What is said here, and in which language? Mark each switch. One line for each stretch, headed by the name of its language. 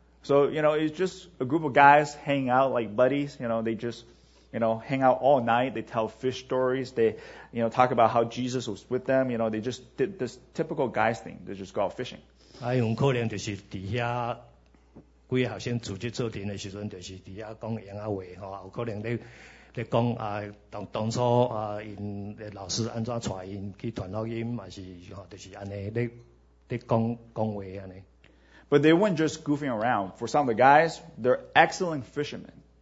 English: So, you know, it's just a group of guys hanging out like buddies, you know, they just you know, hang out all night. They tell fish stories. They, you know, talk about how Jesus was with them. You know, they just did this typical guys thing. They just go out fishing.
Min Nan Chinese: 有可能就是底下几个学生组织做阵的时阵，就是底下讲闲话吼，有可能咧讲啊，当初啊，因老师安怎带因去团落营，嘛是吼，就是安尼咧讲话安尼。
English: But they weren't just goofing around. For some of the guys, they're excellent fishermen.